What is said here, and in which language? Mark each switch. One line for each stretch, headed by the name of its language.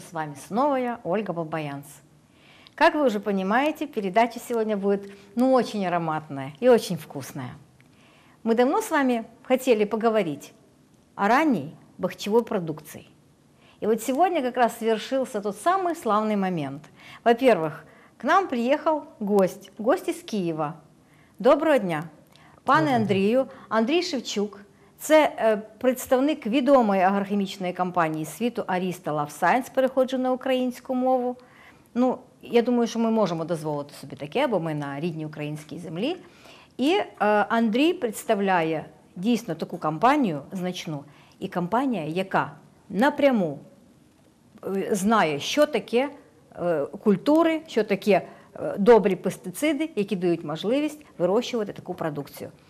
Russian: С вами снова я, Ольга Бабаянс. Как вы уже понимаете, передача сегодня будет очень ароматная и очень вкусная. Мы давно с вами хотели поговорить о ранней бахчевой продукции. И вот сегодня как раз свершился тот самый славный момент. Во-первых, к нам приехал гость из Киева.
Ukrainian: Доброго дня! Пане Андрію, Андрій Шевчук. Це представник відомої агрохімічної компанії світу Arysta LifeScience, переходжу на українську мову. Ну, я думаю, що ми можемо дозволити собі таке, бо ми на рідній українській землі. І Андрій представляє дійсно таку компанію значну. І компанія, яка напряму знає, що таке культури, що таке добрі пестициди, які дають можливість вирощувати таку продукцію.